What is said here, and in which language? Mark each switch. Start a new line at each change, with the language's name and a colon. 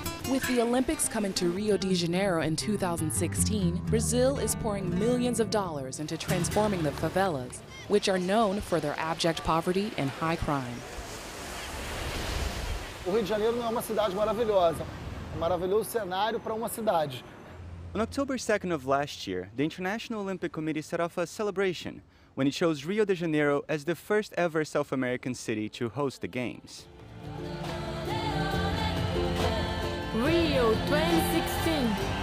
English: With the Olympics coming to Rio de Janeiro in 2016, Brazil is pouring millions of dollars into transforming the favelas, which are known for their abject poverty and high crime.
Portuguese: O Rio de Janeiro não é uma cidade maravilhosa. É um maravilhoso cenário para uma cidade.
English: On October 2nd of last year, the International Olympic Committee set off a celebration when it chose Rio de Janeiro as the first ever South American city to host the Games. Rio 2016.